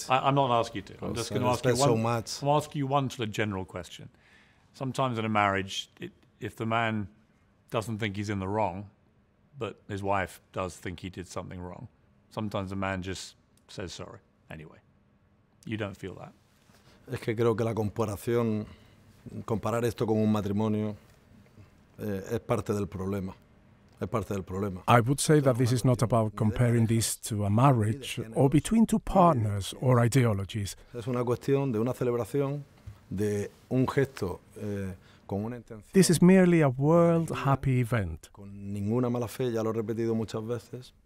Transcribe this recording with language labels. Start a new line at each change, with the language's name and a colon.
English: Saying, I'm not asking you to. I'm just going to ask you one... So much. I'm asking you one sort of general question. Sometimes in a marriage, if the man doesn't think he's in the wrong, but his wife does think he did something wrong, sometimes a man just says sorry anyway. You don't feel that.
Spanish: Es que creo que la comparación, comparar esto con un matrimonio, es parte del problema. Es parte del problema.
English: I would say that this is not about comparing this to a marriage or between two partners or ideologies.
Spanish: Es una cuestión de una celebración, de un gesto con una intención.
English: This is merely a world happy event.
Spanish: Con ninguna mala fe, ya lo he repetido muchas veces.